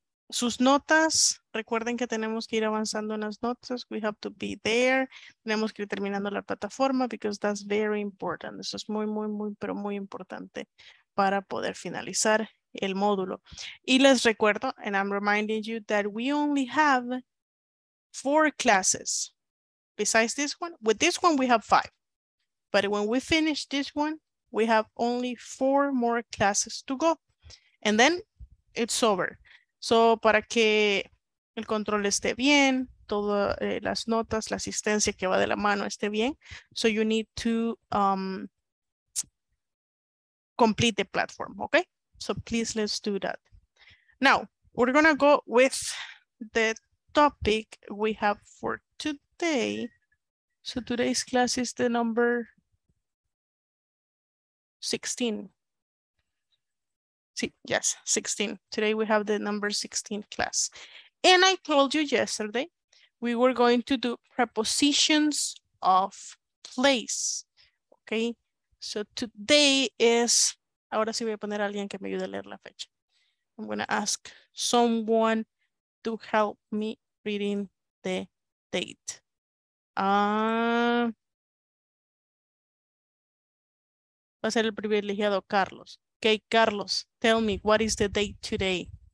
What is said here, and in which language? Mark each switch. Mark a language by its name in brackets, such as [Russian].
[Spanish] Sus notas, recuerden que tenemos que ir avanzando en las notas. [English] We have to be there. [Spanish] Tenemos que ir terminando la plataforma [English] because that's very important. [Spanish] Eso es muy, muy, muy, pero muy importante para poder finalizar el módulo. Y les recuerdo, [English] and I'm reminding you, that we only have four classes. Besides this one, with this one we have five. But when we finish this one, we have only four more classes to go. And then it's over. [Spanish] So para que el control esté bien, todas las notas, la asistencia que va de la mano esté bien. [English] So you need to complete the platform, okay? So please let's do that. Now, we're gonna go with the topic we have for today. So today's class is the number 16. Sí, yes, 16. Today we have the number 16 class. And I told you yesterday, we were going to do prepositions of place. Okay. So today is, [Spanish] ahora sí voy a poner a alguien que me ayude a leer la fecha. [English] I'm going to ask someone to help me reading the date. [Spanish] Va a ser el privilegiado Carlos. [English] Okay, Carlos, tell me, what is the date today?